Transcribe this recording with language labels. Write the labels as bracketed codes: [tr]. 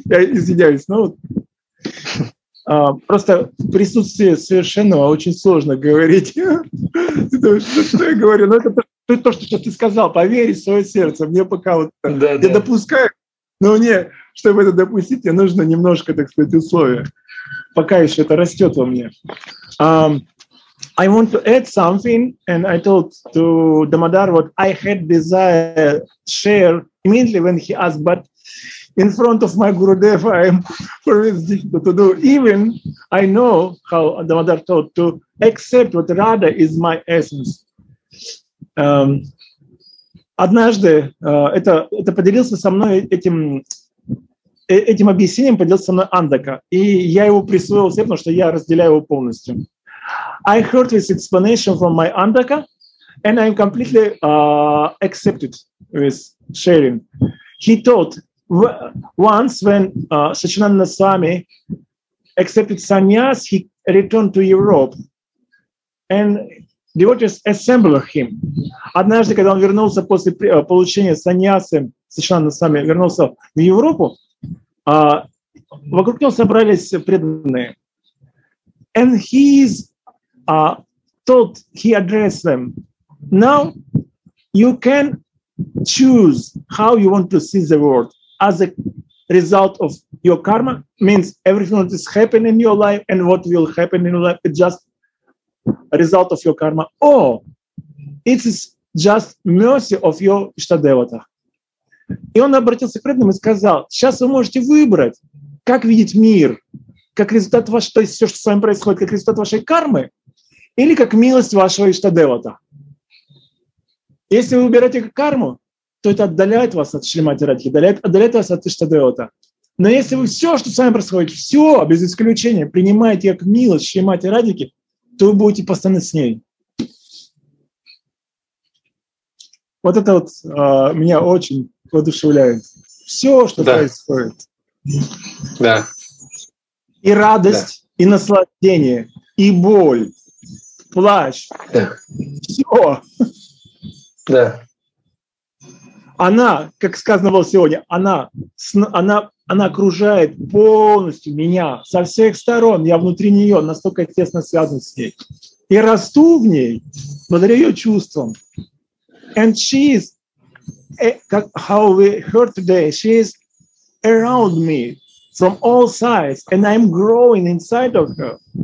[ru] Я извиняюсь, но вот... просто в присутствии совершенного очень сложно говорить. Ты думаешь, что, что я говорю? Но это то, что ты сказал, поверь в свое сердце. Мне пока вот да, я да. допускаю, но мне, чтобы это допустить, мне нужно немножко, так сказать, условия. Пока еще это растет во мне. [en] I want to add something, and I told to Damodar what I had desire to share immediately when he asked, but in front of my Gurudev, I am always difficult to do. Even I know how Damodar taught to accept what Radha is my essence. [ru] Однажды это поделился со мной этим объяснением, поделился со мной Андака, и я его присвоил себе, потому что я разделяю его полностью. [en] I heard this explanation from my Andaka, and I completely accepted this sharing. He taught once when Sachinanda Swami accepted sannyas, he returned to Europe, and devotees assembled him. [ru] Однажды, когда он вернулся после получения сannyasы, Сачинанда Свами вернулся в Европу, вокруг него собрались преданные, [en] and he is told he addressed them. Now you can choose how you want to see the world as a result of your karma, means everything that is happening in your life and what will happen in your life is just a result of your karma, or it is just mercy of your Ishtadevata. [ru] И он обратился к преданным и сказал, сейчас вы можете выбрать, как видеть мир, как результат вашей, то есть все, что с вами происходит, как результат вашей кармы, или как милость вашего Иштадевата. Если вы выбираете карму, то это отдаляет вас от Шримати Радхи, отдаляет вас от Иштадевата. Но если вы все, что с вами происходит, все, без исключения, принимаете как милость Шримати Радхи, то вы будете постоянно с ней. Вот это вот меня очень воодушевляет. Все, что да. происходит. Да. И радость, да. и наслаждение, и боль. Плащ. Да. Все. Да. Она, как сказано было сегодня, она окружает полностью меня со всех сторон. Я внутри нее настолько тесно связан с ней. И расту в ней благодаря ее чувствам. And she is, how we heard today, she is around me from all sides, and I'm growing inside of her.